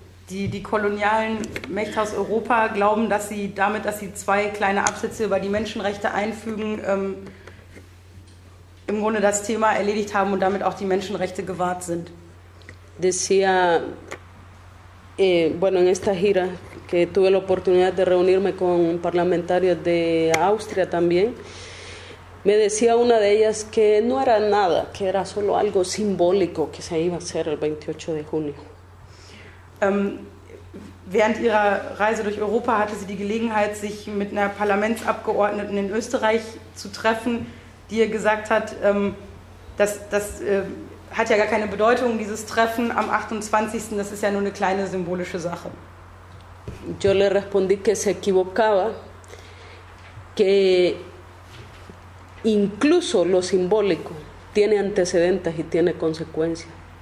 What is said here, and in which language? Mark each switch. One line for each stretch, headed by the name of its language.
German: Die kolonialen Mächte aus Europa glauben, dass sie damit, dass sie zwei kleine Absätze über die Menschenrechte einfügen, im Grunde das Thema erledigt haben und damit auch die Menschenrechte gewahrt sind.
Spanish: Decía, bueno, en esta gira que tuve la oportunidad de reunirme con parlamentarios de Austria también, me decía una de ellas que no era nada, que era solo algo simbólico que se iba a hacer el 28 de junio.
German: Während ihrer Reise durch Europa hatte sie die Gelegenheit, sich mit einer Parlamentsabgeordneten in Österreich zu treffen, die ihr gesagt hat, das hat ja gar keine Bedeutung, dieses Treffen am 28. Das ist ja nur eine kleine symbolische Sache.
Spanish: Yo le respondí que se equivocaba, que incluso lo simbólico tiene antecedentes y tiene consecuencias.